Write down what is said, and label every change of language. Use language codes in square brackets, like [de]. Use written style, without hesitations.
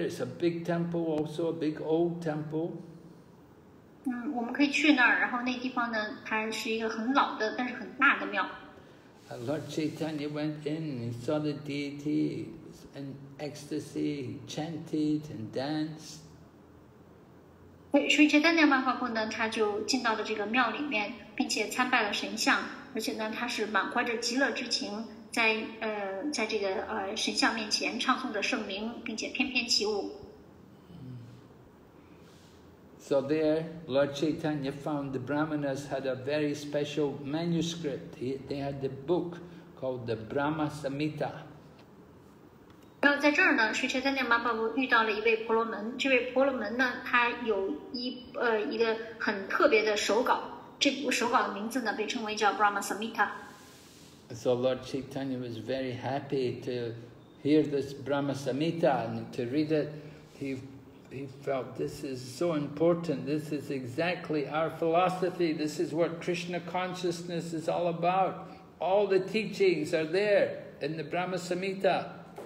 [en] It's a big temple, also a big old temple. [zh] 我们可以去那儿，然后那地方呢，它是一个很老的，但是很大的庙。 [en] Lord Chaitanya went in and he saw the deity in ecstasy, chanted and danced. [zh] Sri Chaitanya Mahaprabhu 呢，他就进到了这个庙里面，并且参拜了神像，而且呢，他是满怀着极乐之情，在这个神像面前唱诵着圣名，并且翩翩起舞。 [en] So there, Lord Chaitanya found the Brahmanas had a very special manuscript. They had the book called the Brahma Samhita. [zh] 然后在这儿呢，Sri Chaitanya Mahaprabhu遇到了一位婆罗门。这位婆罗门呢，他有一个很特别的手稿。这部手稿的名字呢，被称为叫 Brahma Samhita。 [en] So Lord Chaitanya was very happy to hear this Brahma Samhita and to read it. He he felt this is so important. This is exactly our philosophy. This is what Krishna consciousness is all about. All the teachings are there in the Brahma Samhita.